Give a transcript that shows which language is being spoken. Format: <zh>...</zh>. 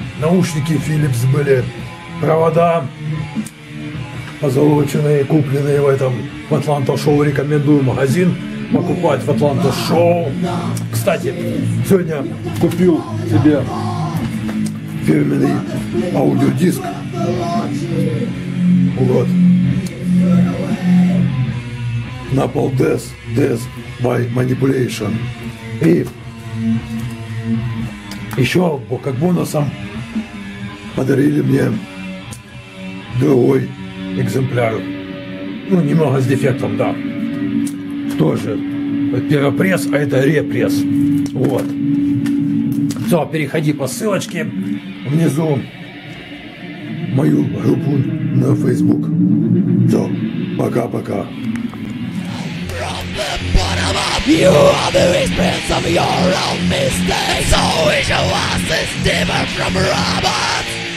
<ru>Наушники Philips были. Провода позолоченные, купленные в этом в Atlanta Show. Рекомендую магазин покупать в Atlanta Show. Кстати, сегодня купил себе фирменный аудиодиск. Вот. Napalm Death by Manipulation. И еще как бонусом подарили мне другой экземпляр. Ну, немного с дефектом, да. Тоже перепресс, а это репресс. Вот. Все, переходи по ссылочке внизу мою группу на Facebook. Все, пока-пока.</ru> <en>You are the recipients of your own mistakes. So each of us is different from robots.</en>